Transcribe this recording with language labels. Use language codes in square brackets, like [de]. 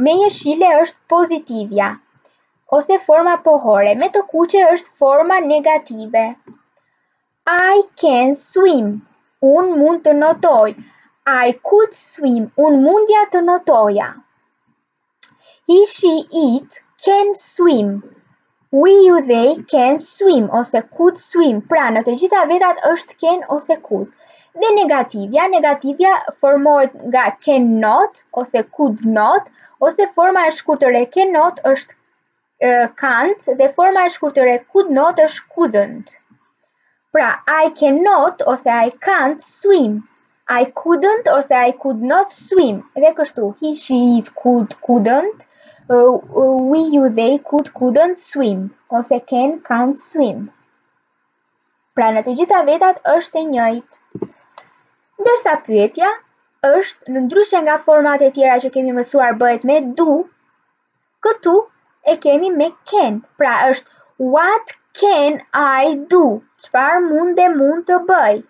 [sq] Me një shile është pozitivja ose forma pohore. Me të kuqe është forma negative. [en] I can swim. [sq] Un mund të notoj. [en] I could swim, [sq] un mundja të notoja. [en] He, she, it can swim. We, you, they can swim, ose could swim. [sq] Pra, në të gjitha vetat është can ose could. Dhe negativja, negativja formohet nga can not, ose could not, ose forma e shkurtër e can not është can't, dhe forma e shkurtër e could not është couldn't. [en] Pra, I cannot, ose I can't swim. I couldn't ose I could not swim. Dhe kështu, he, she, it, could, couldn't. We, you, they could, couldn't swim. Ose can, can't swim. [sq] Pra në të gjitha vetat është e njëjt. Ndërsa pyetja është në ndryshe nga format e tjera që kemi mësuar bëhet me do, këtu e kemi me can. Pra është [en] what can I do? [sq] Çfarë mund të bëj?